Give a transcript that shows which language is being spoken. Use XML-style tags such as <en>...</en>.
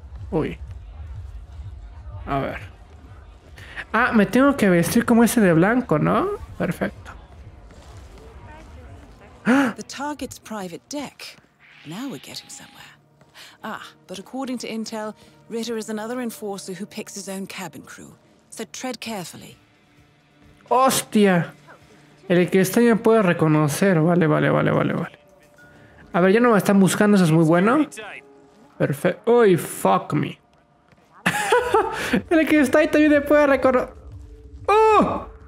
<es>Uy. A ver. Ah, me tengo que vestir como ese de blanco, ¿no? Perfecto.</es> <en>The target's private deck. Now we're getting somewhere. Ah, but according to intel, Ritter is another enforcer who picks his own cabin crew. So tread carefully.</en> <es>¡Hostia! El que está ya puede reconocer. Vale. A ver, ya no me están buscando, eso es muy bueno. Perfecto. ¡Uy,</es> <en>fuck me!</en> <es>El que está ahí también me puede reconocer. ¡Oh!</es>